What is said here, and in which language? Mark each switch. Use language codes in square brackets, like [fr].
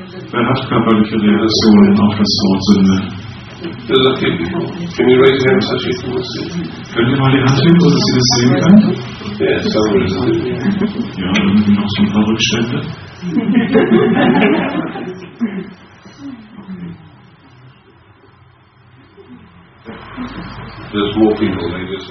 [de] Wer hat körperliche Reaktionen auf das Wort Sünde? [en] There's a few people. Can you raise your hand so she can see? [de] Können Sie mal die Hand heben, dass Sie das sehen können? [en] Yeah, some reason. [de] Ja, irgendwie noch so ein paar Rückstände. [en] There's more people, they just.